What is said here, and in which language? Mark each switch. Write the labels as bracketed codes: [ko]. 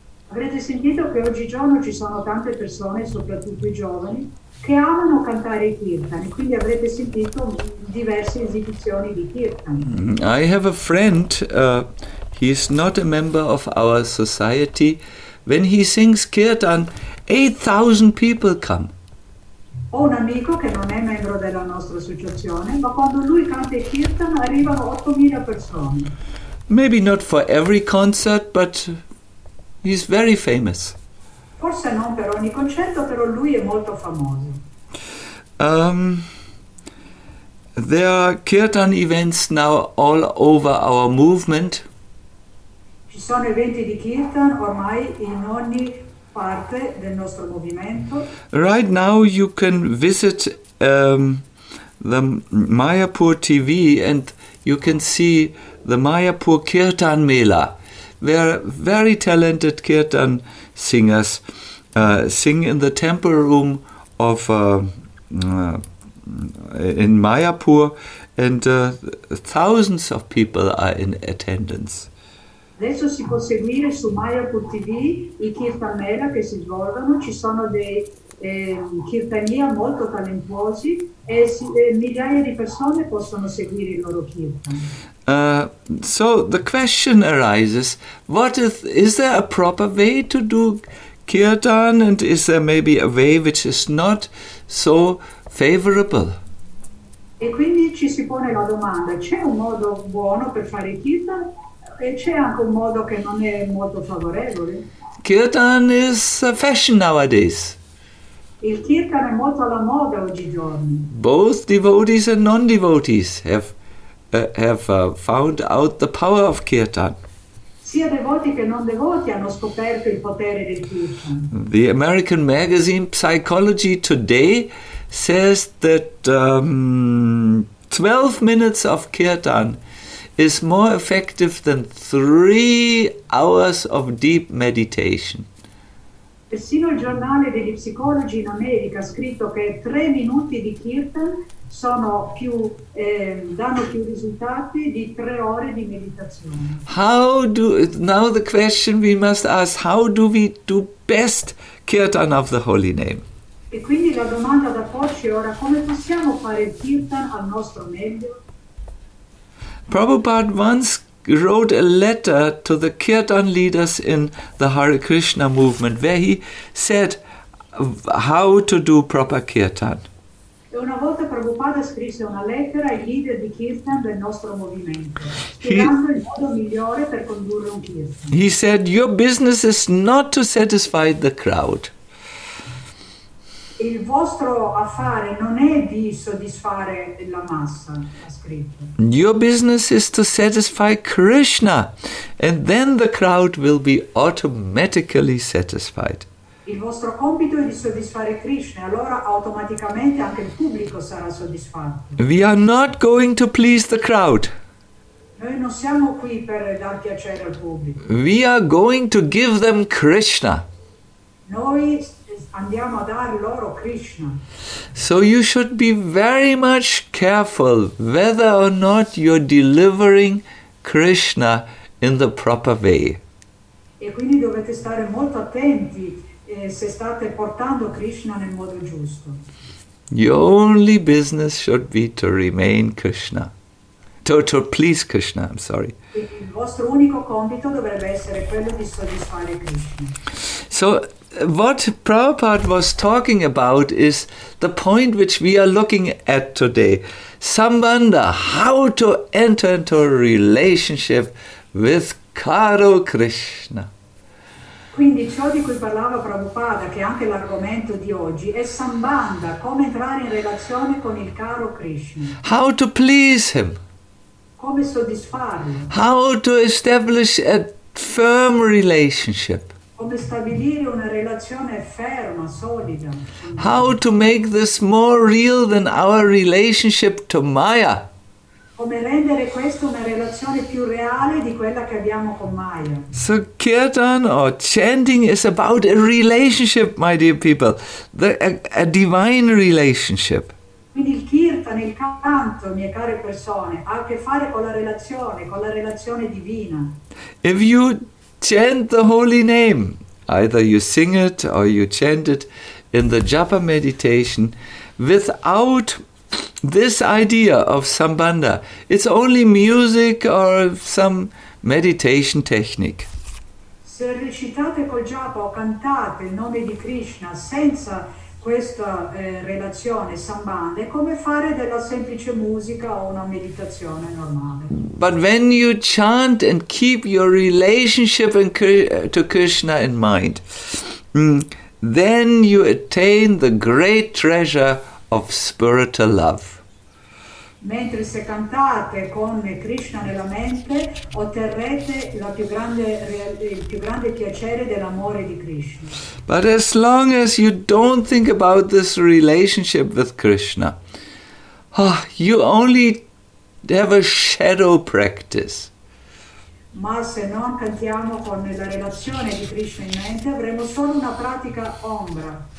[it] Avrete sentito che oggigiorno ci sono tante persone, soprattutto i giovani, che amano cantare i kirtan, e quindi avrete sentito diverse esibizioni di kirtan. [en] I have a friend, he's not a member of our society. When he sings kirtan, 8,000 people come. [it] Ho un amico che non è membro della nostra associazione, ma quando lui canta il kirtan arrivano 8,000 persone. [en] Maybe not for every concert, but he's very famous. [it] Forse non per ogni concerto, però lui è molto famoso. [en] There are kirtan events now all over our movement. [it] Ci sono eventi di kirtan ormai in ogni parte del nostro movimento. [en] Right now you can visit the Mayapur TV and you can see the Mayapur Kirtan Mela. There are very talented kirtan singers sing in the temple room of in Mayapur, and thousands of people are in attendance. [it] Adesso si può seguire su Mayapur TV i kirtan mela che si svolgono. Ci sono dei kirtania molto talentuosi e migliaia di persone possono seguire il loro kirtan. [en] So the question arises, is there a proper way to do kirtan, and is there maybe a way which is not so favorable? [it] E quindi ci si pone la domanda, c'è un modo buono per fare kirtan? E c'è anche un modo che non è molto favorevole. [en] Kirtan is a fashion nowadays. [it] Il kirtan è molto alla moda oggigiorno. [en] Both devotees and non-devotees have found out the power of kirtan. [it] Sia devoti che non devoti hanno scoperto il potere del kirtan. [en] The American magazine Psychology Today says that 12 minutes of kirtan is more effective than 3 hours of deep meditation. [it] Persino il giornale degli psicologi in America ha scritto che 3 minuti di kirtan sono più danno più risultati di 3 ore di meditazione. [en] Now the question we must ask: how do we do best kirtan of the holy name? [it] E quindi la domanda da porci ora: come possiamo fare il kirtan al nostro meglio? [en] Prabhupada once wrote a letter to the kirtan leaders in the Hare Krishna movement where he said how to do proper kirtan. [it] Una volta Prabhupada scrisse una lettera ai leader di kirtan del nostro movimento, spiegando il modo migliore per condurre un kirtan. [en] He said, "Your business is not to satisfy the crowd." [it] Il vostro affare non è di soddisfare la massa, ha scritto. [en] Your business is to satisfy Krishna, and then the crowd will be automatically satisfied. [it] Il vostro compito è di soddisfare Krishna, allora automaticamente anche il pubblico sarà soddisfatto. [en] We are not going to please the crowd. [it] Noi non siamo qui per dar piacere al pubblico. [en] We are going to give them Krishna. [it] Noi andiamo a dar loro Krishna. [en] So you should be very much careful whether or not you're delivering Krishna in the proper way. [it] E quindi dovete stare molto attenti se state portando Krishna nel modo giusto. [en] Your only business should be to remain Krishna. To please Krishna, I'm sorry. [it] Il vostro unico compito dovrebbe essere quello di soddisfare Krishna. [en] So what Prabhupada was talking about is the point which we are looking at today. Sambandha, how to enter into a relationship with caro Krishna. [it] Quindi ciò di cui parlava Prabhupada, che è anche l'argomento di oggi, è Sambandha, come entrare in relazione con il caro Krishna. [en] How to please him. [it] Come soddisfarlo. [en] How to establish a firm relationship. [it] Come stabilire una relazione ferma, solida. [en] How to make this more real than our relationship to Maya. [it] Come rendere questa una relazione più reale di quella che abbiamo con Maya. [en] So kirtan or chanting is about a relationship, my dear people. A divine relationship. [it] Quindi il kirtan, il canto, mie care persone, ha a che fare con la relazione divina. [en] If you chant the holy name, either you sing it or you chant it in the japa meditation, without this idea of sambandha, it's only music or some meditation technique. [it] Se recitate col japa o cantate il nome di Krishna senza questa relazione sambandha, è come fare della semplice musica o una meditazione normale. [en] But when you chant and keep your relationship in to Krishna in mind, then you attain the great treasure of spiritual love. [it] Mentre se cantate con Krishna nella mente, otterrete il più grande piacere dell'amore di Krishna. [en] But as long as you don't think about this relationship with Krishna, you only have a shadow practice. [it] Ma se non cantiamo con la relazione di Krishna in mente, avremo solo una pratica ombra.